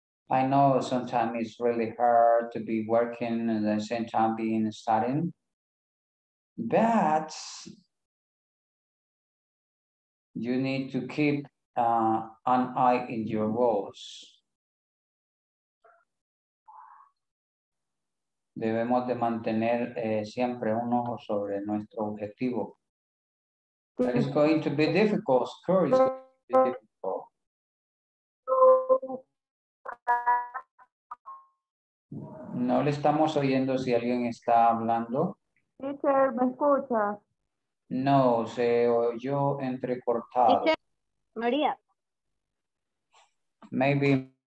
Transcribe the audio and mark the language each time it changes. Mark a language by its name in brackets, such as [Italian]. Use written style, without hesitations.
[English] I know sometimes it's really hard to be working and at the same time being studying, but you need to keep an eye in your goals. [Spanish] Debemos de mantener siempre un ojo sobre nuestro objetivo. [English] But it's going to be difficult, of course. [Spanish] No le estamos oyendo si alguien está hablando. Teacher, ¿me escucha? No, se oyó entrecortado. Teacher, María. [English] Maybe.